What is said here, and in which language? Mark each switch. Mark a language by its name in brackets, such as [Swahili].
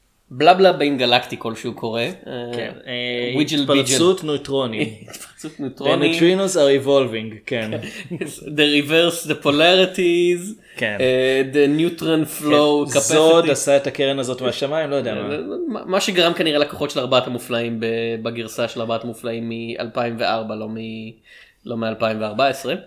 [Hebrew] בלה בלה בין גלקטי כלשהו קורה. התפרצות נויטרונים. התפרצות נויטרונים. [English] The neutrinos are evolving. The reverse, the polarities. The neutron flow. [Hebrew] זוד עשה את הקרן הזאת מהשמיים, לא יודע מה. מה שגרם כנראה לקוחות של ארבעת המופלאים בגרסה של ארבעת המופלאים מ-2004, לא מ-2014.